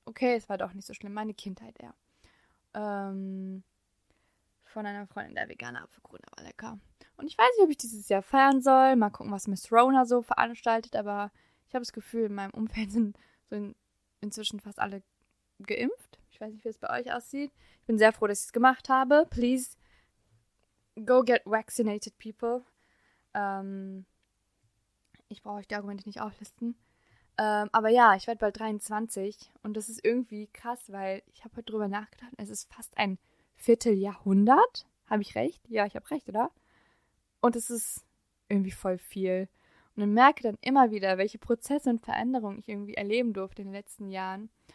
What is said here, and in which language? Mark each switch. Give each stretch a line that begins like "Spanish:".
German: Okay, es war doch nicht so schlimm. Meine Kindheit eher. Von einer Freundin, der vegane Apfelkuchen, der war lecker. Und ich weiß nicht, ob ich dieses Jahr feiern soll. Mal gucken, was Miss Rona so veranstaltet. Aber ich habe das Gefühl, in meinem Umfeld sind so inzwischen fast alle geimpft. Ich weiß nicht, wie es bei euch aussieht. Ich bin sehr froh, dass ich es gemacht habe.
English: Please, go get vaccinated, people.
German: Ich brauche euch die Argumente nicht auflisten. Aber ja, ich werde bald 23. Und das ist irgendwie krass, weil ich habe heute drüber nachgedacht. Es ist fast ein Vierteljahrhundert? Habe ich recht? Ja, ich habe recht, oder? Und es ist irgendwie voll viel. Und dann merke dann immer wieder, welche Prozesse und Veränderungen ich irgendwie erleben durfte in den letzten Jahren.